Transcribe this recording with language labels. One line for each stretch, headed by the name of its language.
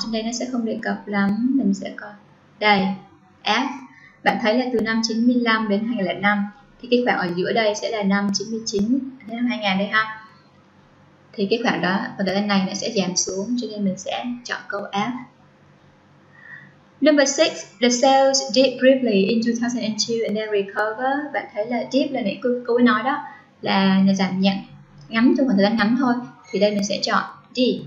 Vietnamese: Trên đây nó sẽ không đề cập lắm, mình sẽ coi đây F. Bạn thấy là từ năm 95 đến 2005 thì cái khoảng ở giữa đây sẽ là năm 99 đến năm 2000 đây ha. Thì cái khoảng đó ở đây này nó sẽ giảm xuống, cho nên mình sẽ chọn câu F.
English: Number 6, the sales dip briefly in 2002 and then recover.
Vietnamese: Bạn thấy là dip là nãy cô nói đó, là nó giảm nhận ngắn trong khoảng thời gian ngắn thôi. Thì đây mình sẽ chọn D.